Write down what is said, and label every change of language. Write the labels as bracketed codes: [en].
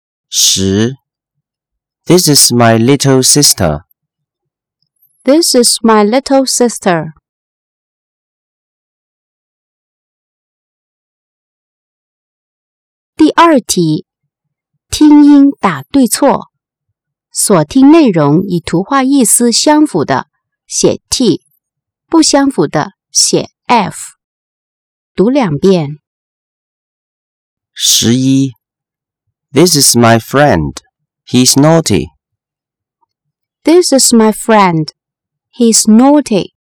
[en] 十 This is my little sister This is my little sister [zh] 第二题听音打对错所听内容与图画意思相符的写 T 不相符的写 F 读两遍 [en] 十一 This is my friend He's naughty This is my friend He's naughty